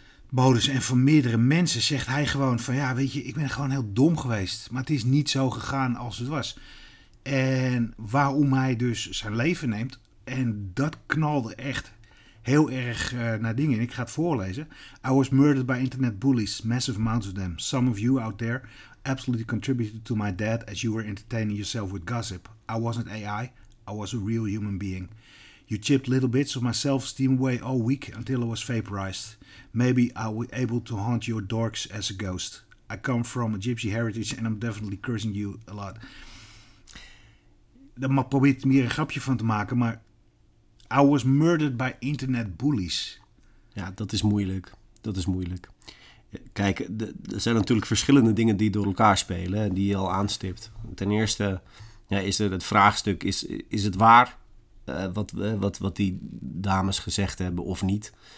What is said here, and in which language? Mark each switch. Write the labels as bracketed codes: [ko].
[nl] bodems en van meerdere mensen zegt hij gewoon van ja, weet je, ik ben gewoon heel dom geweest. Maar het is niet zo gegaan als het was. En waarom hij dus zijn leven neemt. En dat knalde echt heel erg naar dingen. En ik ga het voorlezen. [en] I was murdered by internet bullies, massive amounts of them. Some of you out there absolutely contributed to my death as you were entertaining yourself with gossip. I wasn't AI, I was a real human being. You chipped little bits of my self-esteem away all week until I was vaporized. Maybe I was able to haunt your dorks as a ghost. I come from a gypsy heritage and I'm definitely cursing you a lot. [nl] Dan probeer ik meer een grapje van te maken, maar [en] I was murdered by internet bullies. [nl] Ja, dat is moeilijk. Dat is moeilijk. Kijk, er zijn natuurlijk verschillende dingen die door elkaar spelen, die je al aanstipt. Ten eerste, ja, is er het vraagstuk, is het waar wat die dames gezegd hebben of niet?